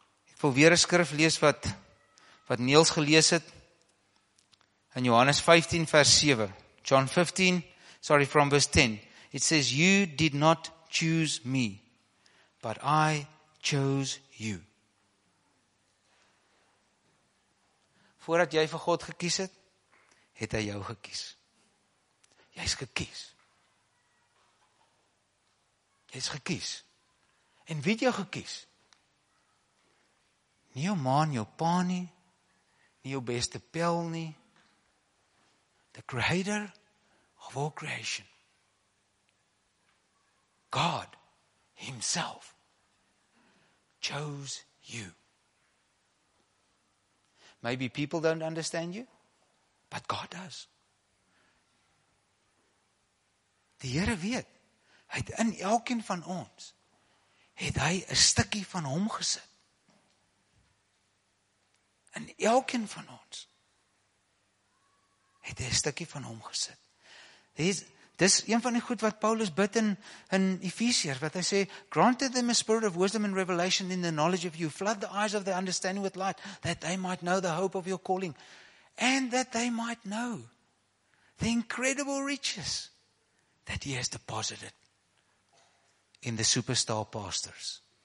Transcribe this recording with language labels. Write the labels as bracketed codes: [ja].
[af] Ek wil weer 'n skrif lees wat Niels gelees het in Johannes 15 vers 7. [en] John 15, sorry, from verse 10. It says, you did not choose me, but I chose you. [af] Voordat jy vir God gekies het, het hy jou gekies. Jy's gekies. Jy's gekies. En wie het jou gekies? Nie jou ma, jou pa nie, nie jou beste pel nie. [en] The creator of all creation. God himself chose you. Maybe people don't understand you, but God does. [af] Die Here weet, hy het in elkeen van ons, het hy 'n stukkie van hom gesit. In elkeen van ons, het hy 'n stukkie van hom gesit. Dis een van die goed wat Paulus bid in Efesiërs, wat hy sê, [en] granted them a spirit of wisdom and revelation in the knowledge of you, flood the eyes of their understanding with light, that they might know the hope of your calling, and that they might know the incredible riches that he has deposited in the superstar pastors.